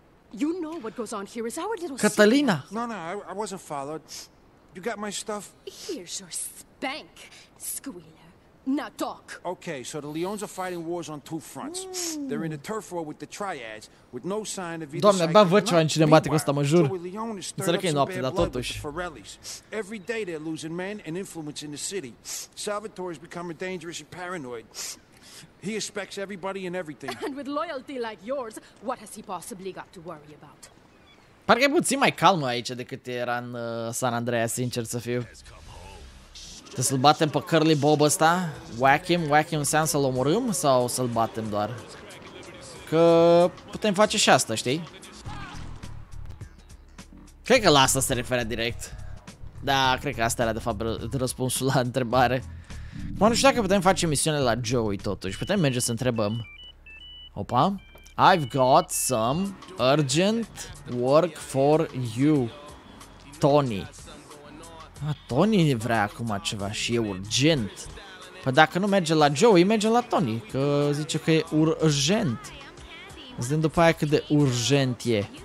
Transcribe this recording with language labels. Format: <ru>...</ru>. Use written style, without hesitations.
<en>You know what goes on here is our little secret. Catalina. No, I wasn't followed. You got my stuff? Here's your spank, squealer. Now talk. Okay, so the Leones are fighting wars on two fronts. They're in a turf war with the triads, with no sign of either side.</en> <ro>Doamne, bă, ceva în cinematic ăsta, mă jur. Înțeleg că e noapte, dar totuși.</ro> <en>Every day they're losing men and influence in the city. Salvatore's becoming dangerous and paranoid. He expects everybody and everything. And with loyalty like yours, what has he possibly got to worry about?</en> <ro>Parcă e puțin mai calm aici decât era în San Andreas, sincer să fiu. Trebuie să-l batem pe Curly Bob ăsta?</ro> <en>Whack him</en> <ro>înseamnă să-l omorâm sau să-l batem doar? Că putem face și asta, știi? Cred că la asta se referea direct. Da, cred că asta era de fapt răspunsul la întrebare. Mă, nu știu dacă putem face misiune la Joey totuși. Putem merge să întrebăm. Opa.</ro> <en>I've got some urgent work for you, Tony.</en> <ro>A, Tony vrea acum ceva și e urgent. Păi dacă nu merge la Joey, merge la Tony, că zice că e urgent. Zicem după aia cât de urgent e.</ro>